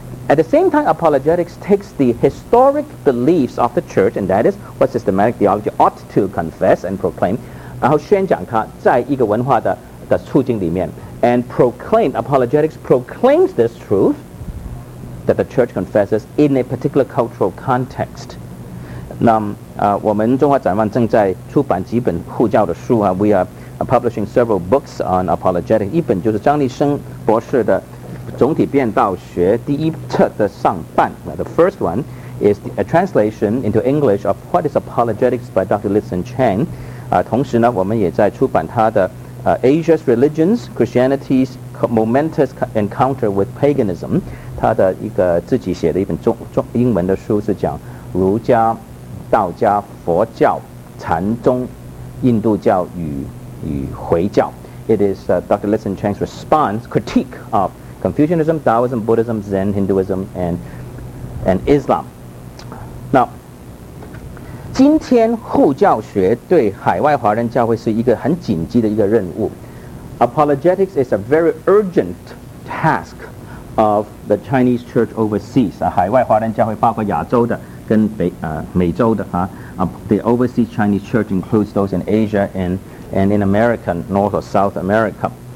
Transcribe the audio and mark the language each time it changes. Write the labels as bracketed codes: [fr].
[en] at the same time apologetics takes the historic beliefs of the church and that is what systematic theology ought to confess and proclaim [zh] 然后宣讲它在一个文化 的处境里面 [en] and proclaim apologetics proclaims this truththat the church confesses in a particular cultural context. [zh] 那、我们中华展望正在出版几本护教的书、 [en] We are publishing several books on apologetics. [zh] 一本就是张立生博士的总体辩道学第一册的上半。 [en] The first one is a translation into English of What is Apologetics by Dr. Lisson Chang.、 [zh] 同时呢我们也在出版他的、 [en] Asia's Religions, Christianity's Momentous Encounter with Paganism. [zh] 他的一个自己写的一本中英文的书是讲儒家、道家、佛教、禅宗、印度教与回教 [en] it is Dr. Lisson Chang's response, critique of Confucianism, Taoism, Buddhism, Zen, Hinduism, and Islam. [zh] Now, 今天护教学对海外华人教会是一个很紧急的一个任务. [en] Apologetics is a very urgent task of the Chinese church overseas, [zh] 海外华人教会包括亚洲的跟美洲的, [en] the overseas Chinese church includes those in Asia and in America, North or South America.